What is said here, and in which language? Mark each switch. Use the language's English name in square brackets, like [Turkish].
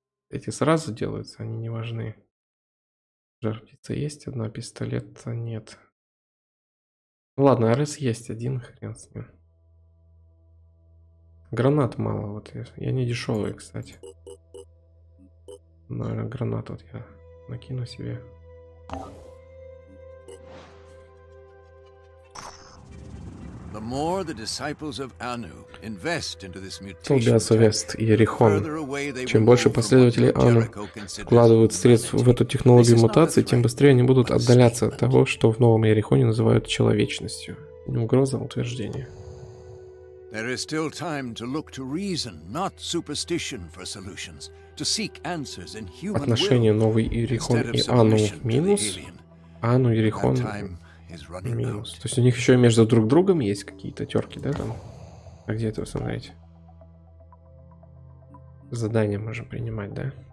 [Russian] Эти сразу делаются, они не важны. Жар-птица есть, одна пистолета нет. Ну ладно, РС есть один, хрен с ним. Гранат мало, вот я не дешевый, кстати. Наверное, гранат вот я накину себе. [English] The more the disciples of Anu invest into this [Russian] mutation, чем больше последователей Anu вкладывают средств в эту технологию мутации, тем быстрее они будут отдаляться от того, что в новом Иерихоне называют человечностью. Не угроза, а утверждение. [English] There is still time to look to reason, not superstition for solutions, to seek answers in human will. [Russian] Отношение новый Иерихон и Anu минус. Anu Иерихон минус. То есть у них еще и между друг другом есть какие-то терки, да, там? А где это установить? Задания можем принимать, да?